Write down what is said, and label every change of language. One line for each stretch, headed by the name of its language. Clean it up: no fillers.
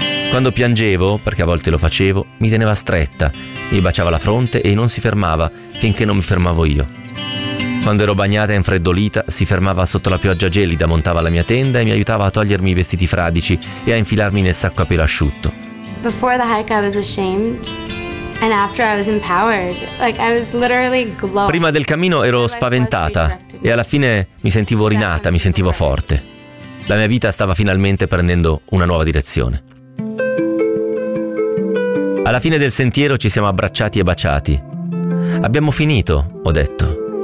Italian: Quando piangevo, perché a volte lo facevo, mi teneva stretta, mi baciava la fronte e non si fermava finché non mi fermavo io. Quando ero bagnata e infreddolita, si fermava sotto la pioggia gelida, montava la mia tenda e mi aiutava a togliermi i vestiti fradici e a infilarmi nel sacco a pelo asciutto.
English: Before the hike I was ashamed. And after I was empowered, like I was literally glowing.
Italian: Prima del cammino ero spaventata e alla fine mi sentivo rinata, mi sentivo forte. La mia vita stava finalmente prendendo una nuova direzione. Alla fine del sentiero ci siamo abbracciati e baciati. Abbiamo finito, ho detto.